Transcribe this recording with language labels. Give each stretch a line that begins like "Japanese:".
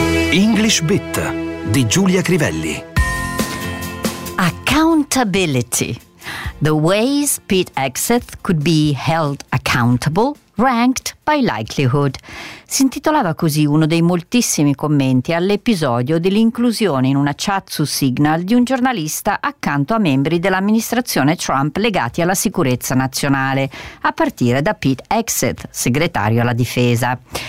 Italian: English Bit di Giulia Crivelli.
English: Accountability. The ways Pete Hegseth could be held accountable, ranked by likelihood.
Italian: Si intitolava così uno dei moltissimi commenti all'episodio dell'inclusione in una chat su Signal di un giornalista accanto a membri dell'amministrazione Trump legati alla sicurezza nazionale, a partire da Pete Hegseth, segretario alla difesa.